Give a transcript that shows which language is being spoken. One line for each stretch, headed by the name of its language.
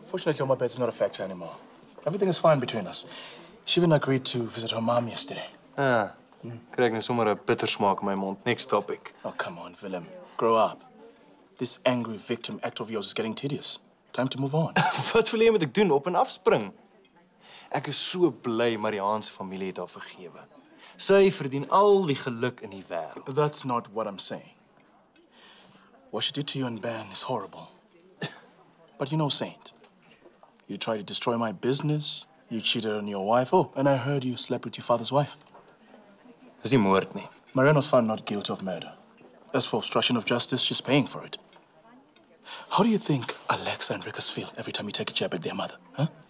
English: Fortunately, Oma Bets is not a factor anymore. Everything is fine between us. She even agreed to visit her mom yesterday.
Afrikaans: Ah, krijg nou sommer 'n bitter smaak in my mond.
English: Next topic. Oh, come on, Willem. Grow up. This angry victim act of yours is getting tedious. Time to move on.
Afrikaans: Wat wil jy moet ek doen? Op en afspring? Ek is so bly Marianne se familie het haar vergewe. Sy verdien al die geluk in die wêreld.
English: That's not what I'm saying. What she did to you and Ben is horrible. But you know, Saint, you tried to destroy my business, you cheated on your wife, oh, and I heard you slept with your father's wife.
Afrikaans: Is nie moord nie.
English: Marianne was found not guilty of murder. As for obstruction of justice, she's paying for it. How do you think Alexa and Rickus feel every time you take a jab at their mother, huh?